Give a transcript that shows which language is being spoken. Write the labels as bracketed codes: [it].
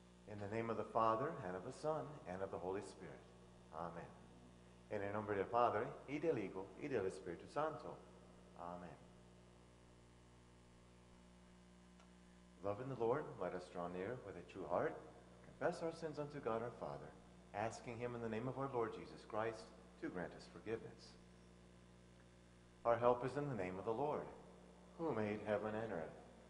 [en] In the name of the Father, and of the Son, and of the Holy Spirit. Amen. [es] En el nombre del Padre, y del Hijo, y del Espíritu Santo. Amen. [en] Loving the Lord, let us draw near with a true heart, confess our sins unto God our Father, asking Him in the name of our Lord Jesus Christ to grant us forgiveness. Our help is in the name of the Lord, who made heaven and earth.